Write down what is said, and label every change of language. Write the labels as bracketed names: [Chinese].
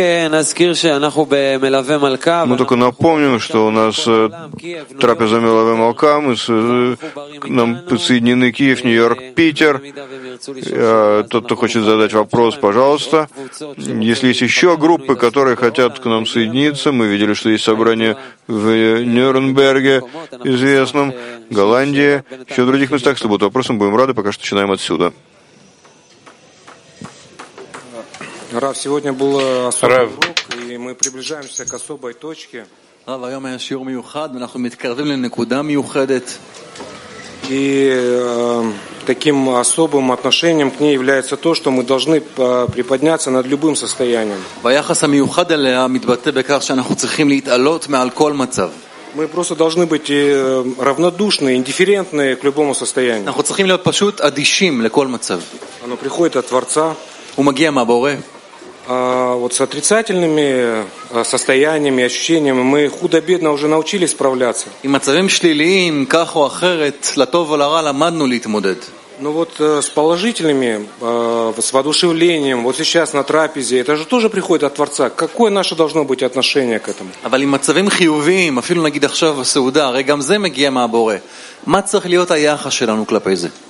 [Hebrew] נזכיר שאנחנו במלווה מלכה. [Russian] Мы только напомним, что у нас трапеза Мелаве Малка, мы нам подсоединены Киев, Нью-Йорк, Питер. Тот, кто хочет задать вопрос, пожалуйста. Если есть еще группы, которые хотят к нам соединиться, мы видели, что есть собрание в Нюрнберге, известном, Голландии, еще в других местах, если будут вопросы, мы будем рады, пока что начинаем отсюда. Рав, сегодня был особый урок, и мы приближаемся к особой точке. [Hebrew] Рав, היום היה שיעור מיוחד, אנחנו מתקרבים לנקודה מיוחדת. [Russian] И таким особым отношением к ней является то, что мы должны приподняться над любым состоянием. [Hebrew] ויחס המיוחד אליה מתבטא בכך שאנחנו צריכים להתעלות מעל כל מצב. [Russian] Мы просто должны быть равнодушны, индифферентны к любому состоянию. [Hebrew] אנחנו צריכים להיות פשוט אדישים לכל מצב. [Russian] Оно приходит от Творца. [Hebrew] ומגיעה בורא. [Russian] Вот с отрицательными состояниями, ощущениями мы худо-бедно уже научились справляться. [Hebrew] И מצבים שליליים, כך או אחרת, לטוב או לרע, למדנו להתמודד. [Russian] Но вот с положительными, с воодушевлением, вот сейчас на трапезе, это же тоже приходит от Творца. Какое наше должно быть отношение к этому? [Hebrew] אבל עם מצבים חיוביים, אפילו נגיד עכשיו בסעודה, הרי גם זה מגיע מהבורא. מה צריך להיות היחס שלנו כלפי זה?